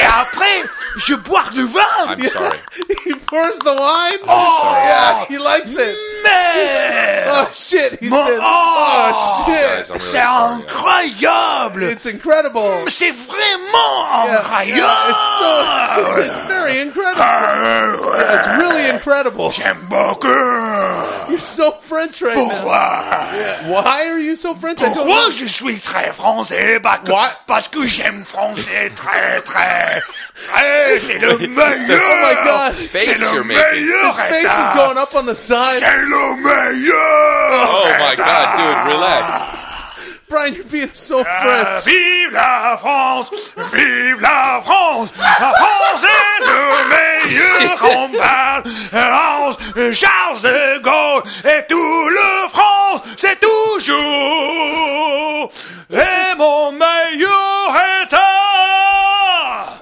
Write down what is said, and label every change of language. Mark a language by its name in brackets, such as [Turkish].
[French] Et après, je bois du vin. [English] I'm sorry. He pours the wine. I'm sorry. Yeah, he likes it. [French] Mais. [English] Oh, shit. He said. [French] C'est incroyable. [English] It's incredible. [French] C'est vraiment incroyable. [English] It's very incredible. Yeah, it's really incredible. [French] J'aime beaucoup. [English] You're so French right now. Yeah. Why are you so French? [French] Pourquoi je suis très français? Parce que j'aime français très, très, très. C'est le meilleur. [English] Oh, my God. Face [French] c'est [English] you're making. His face is going up on the side. [French] C'est le meilleur. [English] Oh, my God, dude, relax. Brian, you're being so French. [French] Vive la France! Vive la France! La France est le meilleur combat! France, Charles de Gaulle et tout le France, c'est toujours et mon meilleur état!